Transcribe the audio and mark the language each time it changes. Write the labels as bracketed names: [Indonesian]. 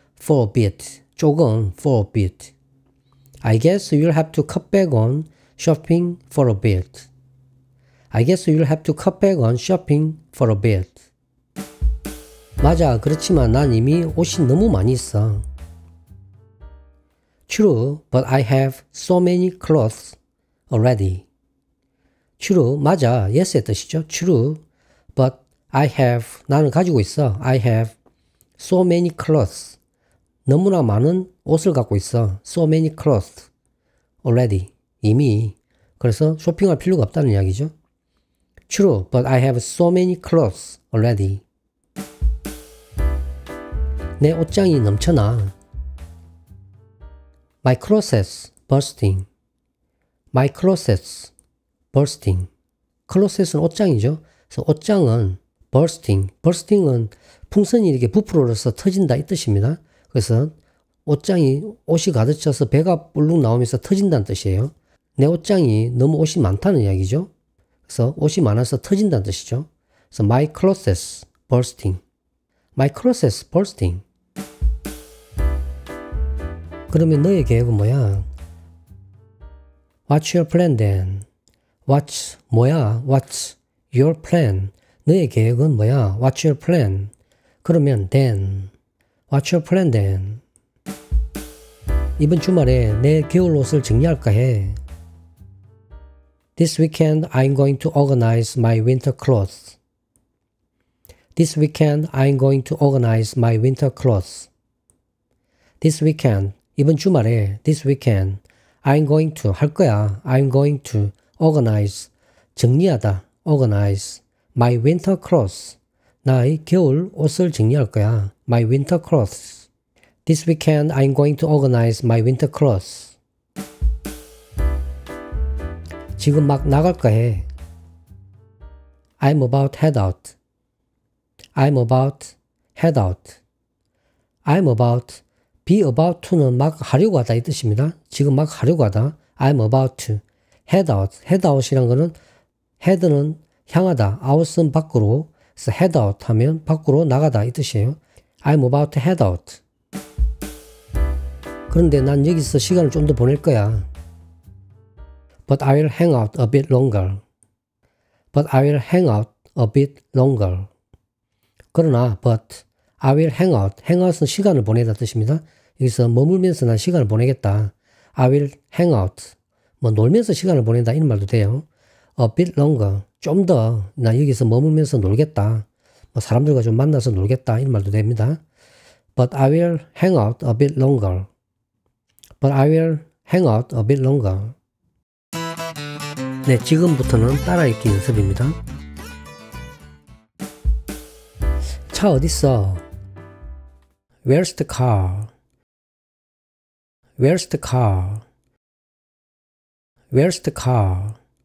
[English] for a bit, [Korean] 조금, [English] for a bit. I guess you'll have to cut back on shopping for a bit. I guess you'll have to cut back on shopping for a bit. [Korean] 맞아, 그렇지만 난 이미 옷이 너무 많이 있어. [English] True, but I have so many clothes already. True, [Korean] 맞아, [English] yes의 뜻이죠. True, but I have, [Korean] 나는 가지고 있어. [English] I have so many clothes. [Korean] 너무나 많은 옷을 갖고 있어. [English] So many clothes already. [Korean] 이미. 그래서 쇼핑할 필요가 없다는 이야기죠. [English] True, but I have so many clothes already. [Korean] 내 옷장이 넘쳐나. [English] My closet's bursting. My closet's bursting. [Korean] Closet은 옷장이죠. 그래서 옷장은 bursting. Bursting은 풍선이 이렇게 부풀어서 터진다 이 뜻입니다. 그래서 옷장이 옷이 가득 차서 배가 불룩 나오면서 터진다는 뜻이에요. 내 옷장이 너무 옷이 많다는 이야기죠. 그래서 옷이 많아서 터진다는 뜻이죠. 그래서 [English] my closet's bursting. My closet's bursting. [Korean] 그러면 너의 계획은 뭐야? [English] What's your plan then? What's [Korean] 뭐야? [English] What's your plan? [Korean] 너의 계획은 뭐야? [English] What's your plan? [Korean] 그러면 then. [English] What's your plan then? [Korean] 이번 주말에 내 겨울 옷을 정리할까 해. [English] This weekend I'm going to organize my winter clothes. This weekend I'm going to organize my winter clothes. This weekend, [Korean] 이번 주말에, [English] this weekend I'm going to [Korean] 할 거야. [English] I'm going to organize [Korean] 정리하다. [English] Organize my winter clothes. [Korean] 나의 겨울 옷을 정리할 거야. [English] My winter clothes. This weekend I'm going to organize my winter clothes. [Korean] 지금 막 나갈까 해. [English] I'm about head out. I'm about head out. I'm about be about to는 [Korean] 막 하려고 하다 이 뜻입니다. 지금 막 하려고 하다. [English] I'm about to head out. [Korean] head out이란 거는 head는 향하다. out은 밖으로. 그래서 head out 하면 밖으로 나가다 이 뜻이에요. [English] I'm about to head out. [Korean] 그런데 난 여기서 시간을 좀 더 보낼 거야. [English] But I will hang out a bit longer. But I will hang out a bit longer. [Korean] 그러나 [English] but I will hang out. [Korean] hang out은 시간을 보내다 뜻입니다. 여기서 머물면서 난 시간을 보내겠다. [English] I will hang out. [Korean] 뭐 놀면서 시간을 보낸다 이런 말도 돼요. [English] A bit longer. [Korean] 좀 더 나 여기서 머물면서 놀겠다. 뭐 사람들과 좀 만나서 놀겠다 이런 말도 됩니다. [English] But I will hang out a bit longer. But I will hang out a bit longer. [Korean] 네, 지금부터는 따라 읽기 연습입니다. 차 어디 있어? [English] Where's the car? Where's the car? Where's the car?